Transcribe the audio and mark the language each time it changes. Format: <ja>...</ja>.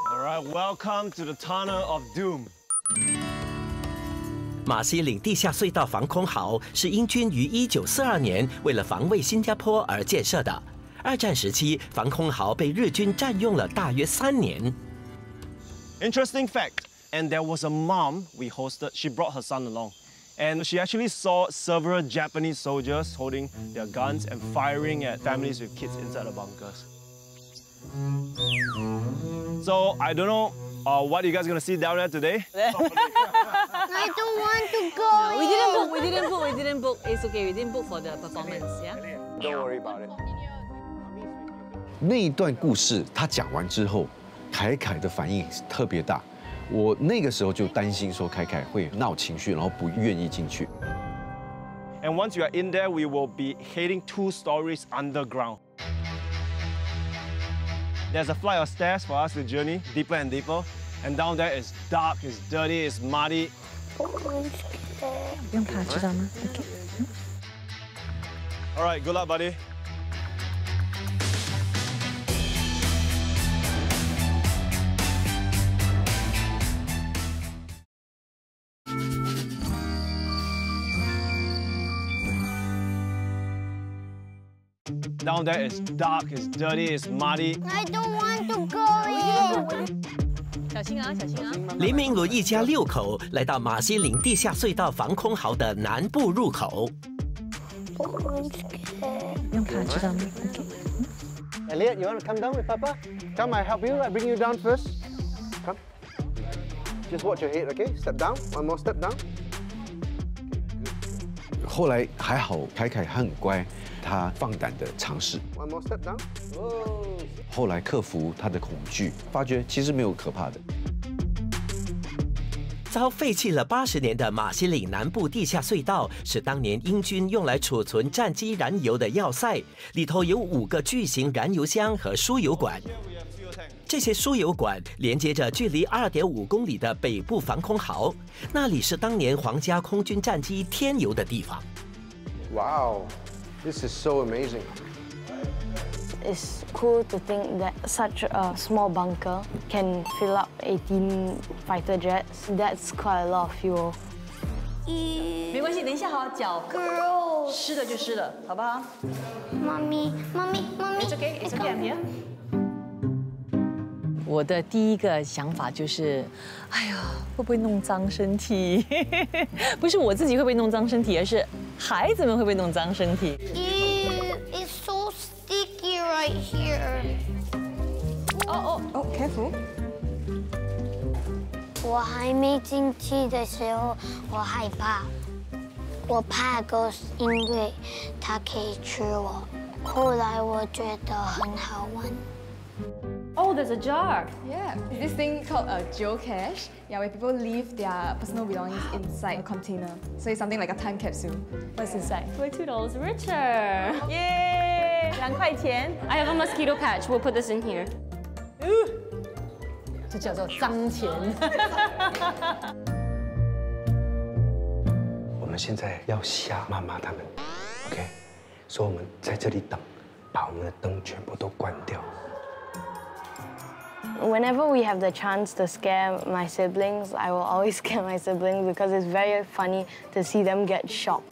<en>All right, welcome to the tunnel of doom.</en> <zh>马西岭地下隧道防空壕是英军于1942年为了防卫新加坡而建设的。二战时期，防空壕被日军占用了大约3年。</zh> <en>Interesting fact. And there was a mom we hosted. She brought her son along. And she actually saw several Japanese soldiers holding their guns and firing at families with kids inside the bunkers. So I don't know、what you guys are gonna see down there today. I don't want to go. No, we didn't book. We didn't book. We didn't book. It's okay. We didn't book for the performance. Yeah. Don't worry about it.</en> <zh>那一段故事他讲完之后，凯凯的反应特别大。我那个时候就担心说凯凯会闹情绪，然后不愿意进去。</zh> <en>And once you are in there, we will be heading two stories underground. There's a flight of stairs for us to journey deeper and deeper, and down there is dark, it's dirty, it's muddy.</en> <zh>不用怕，知道吗 ？OK.</zh> <en>All right, good luck, buddy. Down there is dark, it's dirty, it's muddy. I don't want to go in.</en> <zh>小心啊，小心啊！林明伦一家六口来到马西岭地下隧道防空壕的南部入口。不用怕，知道吗</zh> <en>？OK. Elliot, you want to come down with Papa? Come, I help you. I bring you down first. Come. Just watch your head, okay? Step down. One more step down.</en> <zh>后来还好，凯凯很乖。他放胆的尝试，后来克服他的恐惧，发觉其实没有可怕的。遭废弃了80年的马西岭南部地下隧道，是当年英军用来储存战机燃油的要塞，里头有5个巨型燃油箱和输油管。这些输油管连接着距离2.5公里的北部防空壕，那里是当年皇家空军战机添油的地方。哇</zh> <en>哦！This is so amazing. It's cool to think that such a small bunker can fill up 18 fighter jets. That's quite a lot of fuel.</en> <zh>没关系，等一下好脚。</zh> <en>Girl，</en> <zh>湿的就湿了，好不好？妈咪，妈咪，妈咪。</zh> <en>It's okay. It's okay. I'm here.</en> <zh>我的第一个想法就是，哎呀，会不会弄脏身体？不是我自己会不会弄脏身体，而是。孩子们会不会弄脏身体</zh> <en>？It's so sticky right here. Oh, careful.</en> <zh>我还没进去的时候，我害怕。我怕 ghost， 因为它可以吃我。后来我觉得很好玩。</zh> <en>Oh, there's a jar. Yeah. This thing called a geocache. Yeah, where people leave their personal belongings inside a container. So it's something like a time capsule. What's inside? We're $2 richer.</en> <zh>Yay! 2块钱.</zh> <en>I have a mosquito patch. We'll put this in here.</en> <zh>Ooh! 这叫做脏钱. 我们现在要吓妈妈他们.</zh> <en>OK?</en> <zh>所以我们在这里等, 把我们的灯全部都关掉.</zh> <en>Whenever we have the chance to scare my siblings, I will always scare my siblings because it's very funny to see them get shocked.</en>